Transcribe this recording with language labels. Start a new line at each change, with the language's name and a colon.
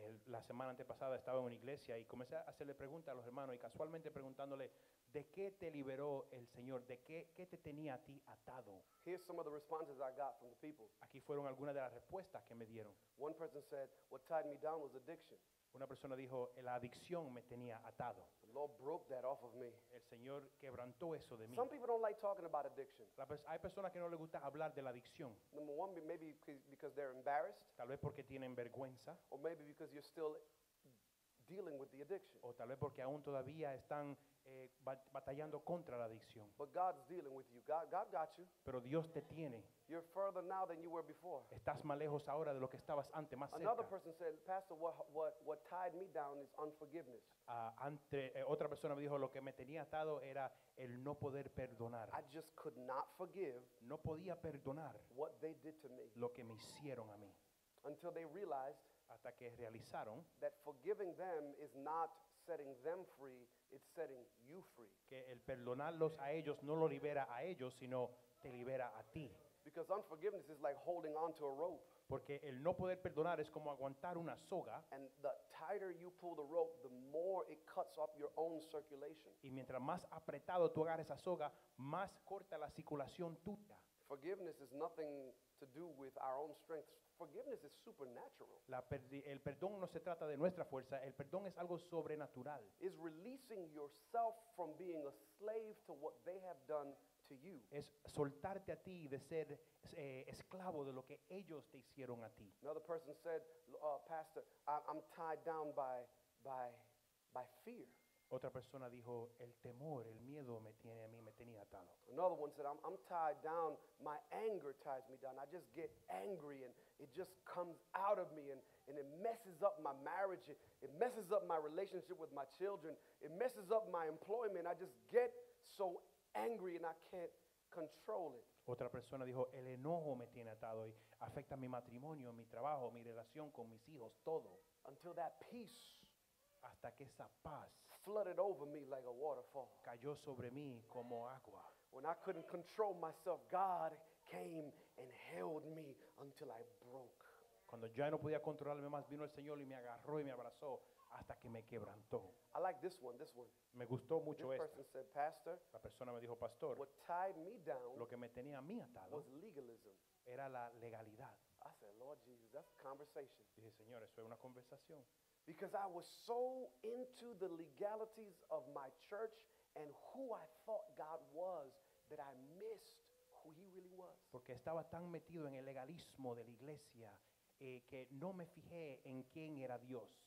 Spanish: La semana antepasada estaba en una iglesia y comencé a hacerle preguntas a los hermanos y casualmente preguntándole, ¿de qué te liberó el Señor? ¿De qué te tenía a ti atado?
English: Here's some of the responses I got from the people.
Spanish: Aquí fueron algunas de las respuestas que me dieron.
English: One person said, what tied me down was addiction.
Spanish: Una persona dijo, la adicción me tenía atado.
English: The Lord broke that off of me.
Spanish: El Señor quebrantó eso de mí.
English: Some people don't like talking about addiction.
Spanish: Hay personas que no les gusta hablar de la adicción.
English: Number one, maybe because they're embarrassed.
Spanish: Tal vez porque tienen vergüenza.
English: Or maybe because you're still dealing with the addiction.
Spanish: O tal vez porque aún todavía están batallando contra la adicción.
English: But God's dealing with you. God got you.
Spanish: Pero Dios te tiene.
English: You're further now than you were before.
Spanish: Estás más lejos ahora de lo que estabas antes, más
English: Another Another person said, Pastor, what tied me down is unforgiveness.
Spanish: Otra persona me dijo, lo que me tenía atado era el no poder perdonar.
English: I just could not forgive.
Spanish: No podía perdonar.
English: What they did to me.
Spanish: Lo que me hicieron a mí.
English: Until they realized.
Spanish: Hasta que realizaron.
English: That forgiving them is not setting them free, it's setting you free.
Spanish: Que el perdonarlos a ellos no lo libera a ellos, sino te libera a ti.
English: Because unforgiveness is like holding on to a rope.
Spanish: Porque el no poder perdonar es como aguantar una soga.
English: And the tighter you pull the rope, the more it cuts off your own circulation.
Spanish: Y mientras más apretado tú agarres esa soga, más corta la circulación tuya.
English: Forgiveness is nothing to do with our own strength. Forgiveness is supernatural.
Spanish: El perdón no se trata de nuestra fuerza. El perdón es algo sobrenatural.
English: Is releasing yourself from being a slave to what they have done to you.
Spanish: Es soltarte a ti de ser esclavo de lo que ellos te hicieron a ti.
English: Another person said, Pastor, I'm tied down by fear.
Spanish: Otra persona dijo, el temor, el miedo me tiene a mí, me tenía atado.
English: Another one said, I'm tied down, my anger ties me down. I just get angry and it just comes out of me and it messes up my marriage. It messes up my relationship with my children. It messes up my employment. I just get so angry and I can't control it.
Spanish: Otra persona dijo, el enojo me tiene atado y afecta mi matrimonio, mi trabajo, mi relación con mis hijos, todo.
English: Until that peace,
Spanish: hasta que esa paz,
English: flooded over me like a waterfall.
Spanish: Cayó sobre mí como agua.
English: When I couldn't control myself, God came and held me until I broke.
Spanish: Cuando ya no podía controlarme más, vino el Señor y me agarró y me abrazó hasta que me quebrantó.
English: I like this one.
Spanish: Me gustó mucho esto.
English: This person said, Pastor,
Spanish: la persona me dijo, Pastor,
English: what tied me down,
Spanish: lo que me tenía a mí atado,
English: was legalism.
Spanish: Era la legalidad.
English: I said, Lord Jesus, that's a conversation.
Spanish: Dije, Señor, eso es una conversación.
English: Because I was so into the legalities of my church and who I thought God was that I missed who he really was.
Spanish: Porque estaba tan metido en el legalismo de la iglesia que no me fijé en quién era Dios.